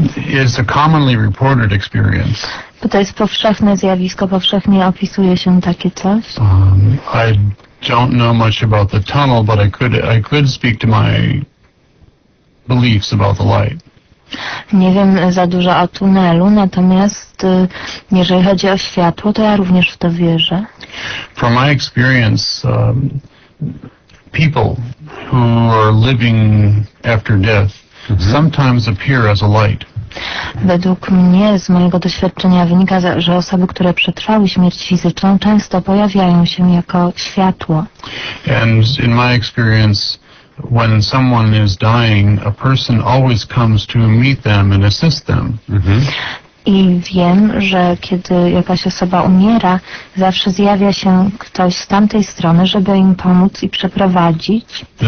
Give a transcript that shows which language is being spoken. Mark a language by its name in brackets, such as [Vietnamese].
[English] It's a commonly reported experience. [Polish] Bo to jest powszechne zjawisko, powszechnie opisuje się takie coś. [English] I don't know much about the tunnel, but I could speak to my beliefs about the light. [Polish] Nie wiem za dużo o tunelu, natomiast jeżeli chodzi o światło, to ja również w to wierzę. [English] From my experience, people who are living after death sometimes appear as a light. [Polish] Według mnie, z mojego doświadczenia wynika, że osoby, które przetrwały śmierć fizyczną, często pojawiają się jako światło. [English] And in my experience, when someone is dying, a person always comes to meet them and assist them. [Polish] I wiem, że kiedy jakaś osoba umiera, zawsze zjawia się ktoś z tamtej strony, żeby im pomóc i przeprowadzić.